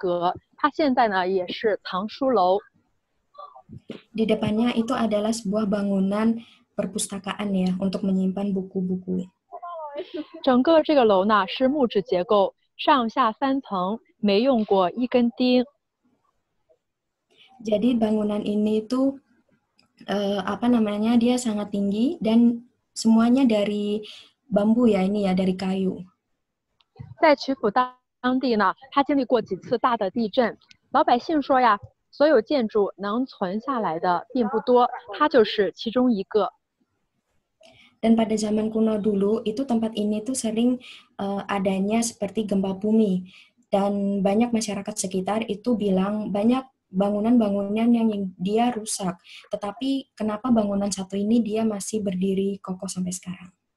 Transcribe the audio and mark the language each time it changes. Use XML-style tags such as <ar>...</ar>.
<zh>在我们的左前方有一个楼阁叫做奎文阁，它现在呢也是藏书楼。</zh> <id>Di depannya itu adalah sebuah bangunan perpustakaan ya, untuk menyimpan buku-buku.</id> <zh>整个这个楼呢是木质结构，上下三层，没用过一根钉。</zh> <id>Jadi bangunan ini tuh apa namanya, dia sangat tinggi dan semuanya dari bambu ya, ini ya, dari kayu.</id> <zh>在曲阜当地呢，它经历过几次大的地震，老百姓说呀，所有建筑能存下来的并不多，它就是其中一个。</zh> <id>Dan pada zaman kuno dulu itu tempat ini tuh sering adanya seperti gempa bumi, dan banyak masyarakat sekitar itu bilang banyak bangunan-bangunan yang dia rusak. Tetapi kenapa bangunan satu ini dia masih berdiri kokoh sampai sekarang?</id>